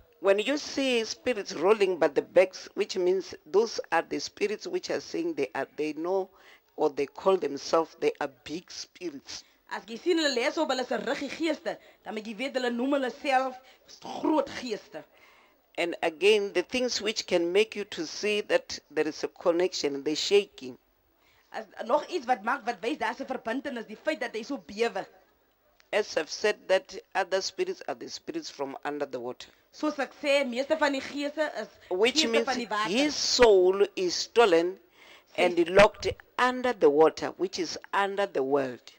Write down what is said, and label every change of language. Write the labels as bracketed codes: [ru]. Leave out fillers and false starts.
[en] When you see spirits rolling by the backs, which means those are the spirits which are saying they are, they know or they call themselves, they are big spirits. [af] As jy sien hulle lees op hulle se ruggie geeste, dan moet jy weet hulle noem hulle self groot geeste. [en] And again, the things which can make you to see that there is a connection, the shaking. [af] As nog iets wat maak wat wys daar's 'n verbintenis, die feit dat hy so bewe. [en] As I've said that other spirits are the spirits from under the water. [af] So ek sê meeste van die geeste is [en] which means his soul is stolen and locked under the water, which is under the world.